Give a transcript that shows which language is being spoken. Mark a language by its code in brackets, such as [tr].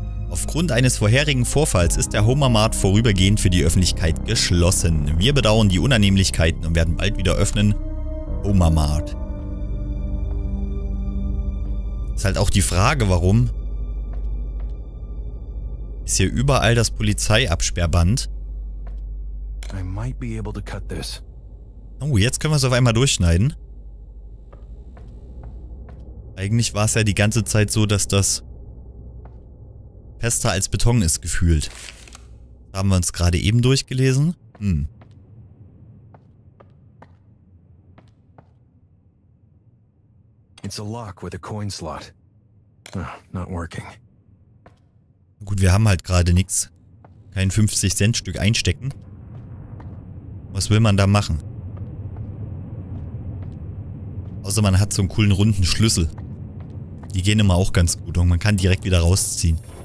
[de] Aufgrund eines vorherigen Vorfalls ist der Homermart vorübergehend für die Öffentlichkeit geschlossen. Wir bedauern die Unannehmlichkeiten und werden bald wieder öffnen. Homermart. Ist halt auch die Frage, warum ist hier überall das Polizeiabsperrband? [en] I might be able to cut this. [de] Oh, jetzt können wir es auf einmal durchschneiden. Eigentlich war es ja die ganze Zeit so, dass das fester als Beton ist, gefühlt. Da haben wir uns gerade eben durchgelesen. [en] It's a lock with a coin slot. Not working. [de] Gut, wir haben halt gerade nichts. Kein 50-Cent-Stück einstecken. Was will man da machen? Außer man hat so einen coolen runden Schlüssel. Die gehen immer auch ganz gut und man kann direkt wieder rausziehen.